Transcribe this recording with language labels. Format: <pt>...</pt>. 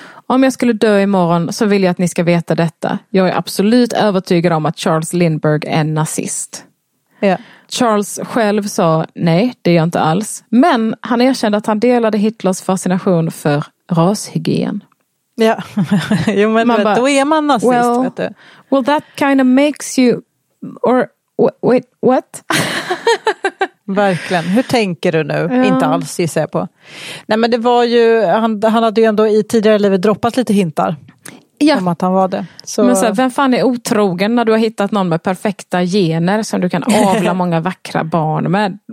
<sv>Om jag skulle dö imorgon så vill jag att ni ska veta detta. Jag är absolut övertygad om att Charles Lindbergh är nazist. Ja. Charles själv sa nej, det är jag inte alls. Men han erkände att han delade Hitlers fascination för rashygien. Ja, jo, men man bara, då är man nazist.</sv> <en>Well,</en> <sv>vet du.</sv> <en>Well that kind of makes you... Or, wait, what?</en> <sv>Verkligen, hur tänker du nu? Ja. Inte alls, gissar jag på. Nej, men det var ju, han hade ju ändå i tidigare livet droppat lite hintar. Ja. Om att han var det. Så... Men så här, vem fan är otrogen när du har hittat någon med perfekta gener som du kan avla många vackra barn med?</sv>